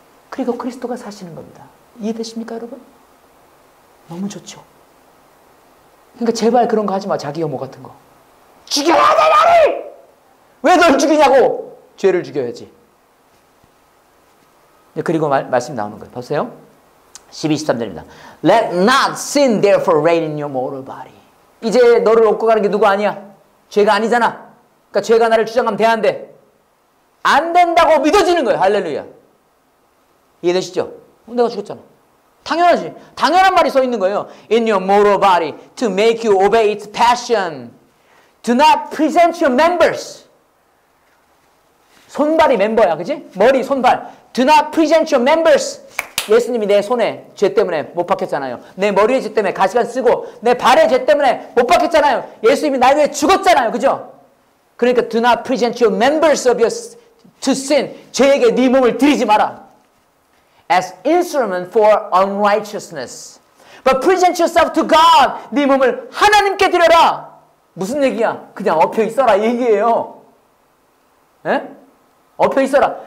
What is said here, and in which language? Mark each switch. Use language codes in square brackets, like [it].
[ko] 그리고 그리스도가 사시는 겁니다. 이해되십니까 여러분? 너무 좋죠. 그러니까 제발 그런 거 하지 마. 자기 혐오 같은 거 죽여야 돼 나를. 왜 널 죽이냐고. 죄를 죽여야지. 그리고 말씀이 나오는 거예요. 보세요. 12, 13절입니다. [en] Let not sin therefore reign in your mortal body. [ko] 이제 너를 업고 가는 게 누구 아니야? 죄가 아니잖아. 그러니까 죄가 나를 주장하면 돼 안 돼? 안 된다고 믿어지는 거예요. 할렐루야. 이해되시죠? 내가 죽었잖아. 당연하지. 당연한 말이 써 있는 거예요. [en] In your mortal body to make you obey its passion. Do not present your members. [ko] 손발이 멤버야, 그지? 머리, 손발. [en] Do not present your members. [ko] 예수님이 내 손에 죄 때문에 못 박혔잖아요. 내 머리에 죄 때문에 가시관 쓰고 내 발에 죄 때문에 못 박혔잖아요. 예수님이 나 위해 죽었잖아요, 그죠? 그러니까 [en] do not present your members of your to sin. [ko] 죄에게 네 몸을 드리지 마라. [en] As instrument for unrighteousness. But present yourself to God. [ko] 네 몸을 하나님께 드려라. 무슨 얘기야? 그냥 엎혀 있어라 얘기예요. 에? 엎혀 있어라.